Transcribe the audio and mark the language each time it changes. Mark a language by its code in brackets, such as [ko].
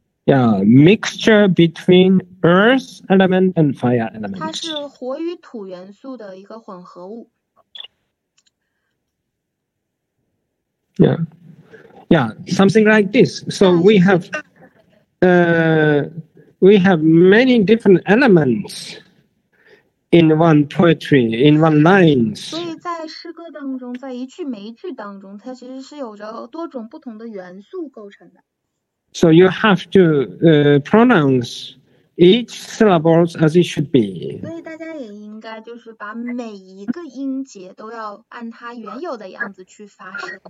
[en] Yeah, mixture between earth element and fire element. [zh] 它是火与土元素的一个混合物。 [en] Yeah, something like this. So we have, many different elements in one poetry, in one lines. [zh] 所以在诗歌当中，在一句每一句当中，它其实是有着多种不同的元素构成的。 [en] So you have to pronounce each syllables as it should be. [zh] 所以大家也应该就是把每一个音节都要按它原有的样子去发声。